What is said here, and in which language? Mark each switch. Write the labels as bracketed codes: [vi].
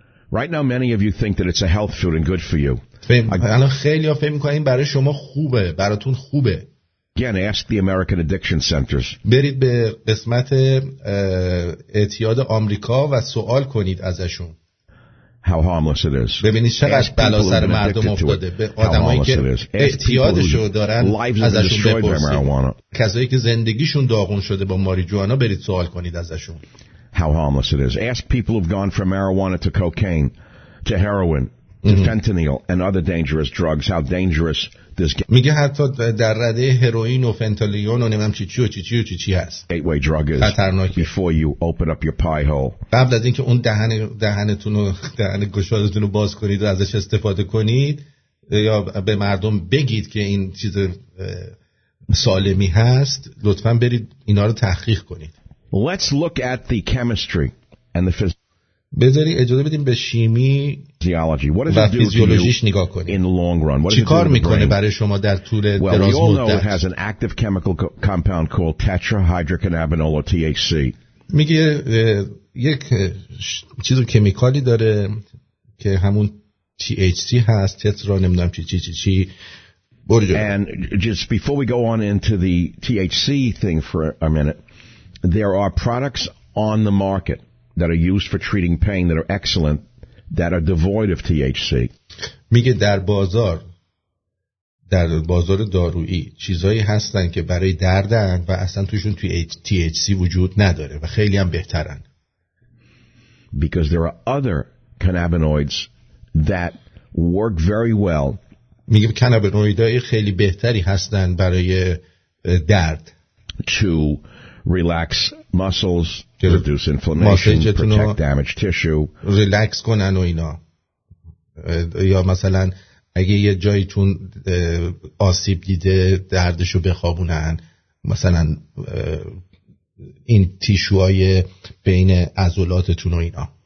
[en] Right now many of you think that it's a health food and good for you. [fa] الان خیلی ها فهم میکنن برای شما خوبه، براتون خوبه. [en] Again, ask the American Addiction Centers. [fa] برید به قسمت اعتیاد آمریکا و سوال کنید ازشون. [en] How harmless it is. [fa] ببینید چقدر بلا سر مردم افتاده. به آدمایی که اعتیادشو دارن ازشون بپرسید. کسایی که زندگیشون داغون شده با ماریجوانا برید سوال کنید ازشون. [en] How harmless it is. Ask people who've gone from marijuana to cocaine, to heroin, to fentanyl and other dangerous drugs, how dangerous this game. [fa] میگه حتی در رده هروئین و فنتانیل و نمیدونم چی و چی و چی هست. [en] Gateway drug is before you open up your pie hole. [fa] قبل از اینکه اون دهن گشادتون رو باز کنید و ازش استفاده کنید یا به مردم بگید که این چیز سالمی هست، لطفا برید اینا رو تحقیق کنید. [en] Let's look at the chemistry and the physics. [fa] بذاری اجازه بدیم به شیمی [en] Theology. What [fa] و فیزیولوژیش نگاه کنیم. [en] In the long run, [fa] چی کار میکنه برای شما در طول دراز مدت؟ [en] Well, we all know it has an active chemical compound called tetrahydrocannabinol or THC. [fa] میگه یک چیز کمیکالی داره که همون THC هست. تترا نمیدونم چی. برجو. [en] And just before we go on into the THC thing for a minute, there are products on the market that are used for treating pain that are excellent that are devoid of THC. [fa] میگه در بازار دارویی چیزایی هستن که برای دردن و اصلا توشون توی THC وجود نداره و خیلی هم بهترن. [en] Because there are other cannabinoids that work very well. [fa] میگه کانابینویدهای خیلی بهتری هستن برای درد. [en] To relax muscles, reduce inflammation, protect damaged tissue. [fa] Relax کنن و اینا. یا مثلا اگه یه جاییتون آسیب دیده دردشو بخوابونن، مثلا این تیشوهای بین عضلاتتون و اینا.